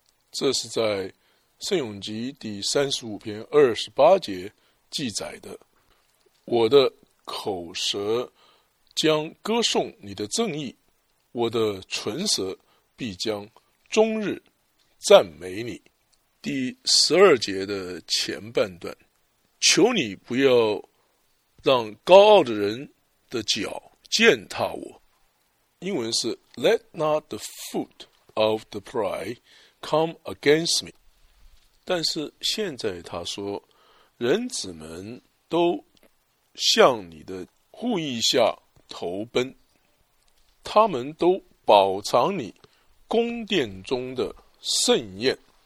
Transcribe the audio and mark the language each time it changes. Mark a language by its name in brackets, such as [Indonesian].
[Chinese] 这是在圣咏集第35篇28节记载的，我的口舌将歌颂你的正义，我的唇舌必将终日赞美你。第12节的前半段，求你不要让高傲的人的脚践踏我。英文是 [English] Let not the foot of the pride come against me. [Chinese] 但是现在他说，人子们都向你的护翼下投奔，他们都饱尝你宫殿中的盛宴。